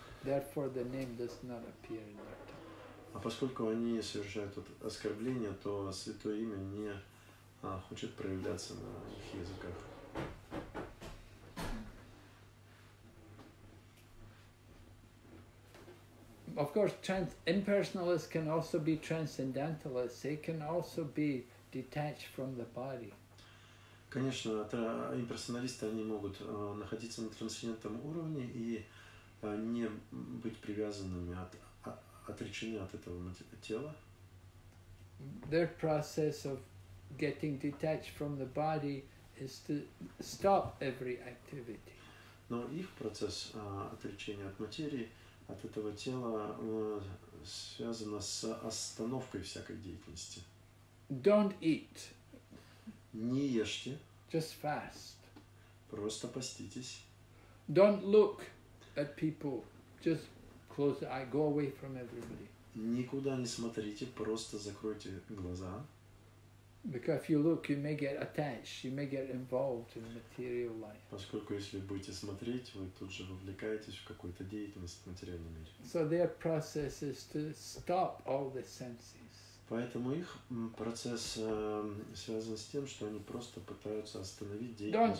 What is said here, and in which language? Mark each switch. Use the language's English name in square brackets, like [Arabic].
[English] Therefore, the name does not appear in their tongue. [Russian] А поскольку они совершают вот оскорбление, то святое имя не хочет проявляться на их языках. [English] Of course, impersonalists can also be transcendentalists. They can also be detached from the body. [Russian] Конечно, имперсоналисты они могут находиться на трансцендентном уровне и не быть привязанными, отречены от этого тела. [English] Their process of getting detached from the body is to stop every activity. [Russian] Но их процесс отречения от материи от этого тела связано с остановкой всякой деятельности. [English] Don't eat. [Russian] Не ешьте. [English] Just fast. [Russian] Просто поститесь. [English] Don't look at people. Just close the eye. Go away from everybody. [Russian] Никуда не смотрите, просто закройте глаза. [English] Because if you look, you may get attached, you may get involved in material life. [Russian] Поскольку если будете смотреть, вы тут же вовлекаетесь в какую-то деятельность в материальном мире. [English] So their process is to stop all the senses. [Russian] Поэтому их процесс связан с тем, что они просто пытаются остановить деятельность.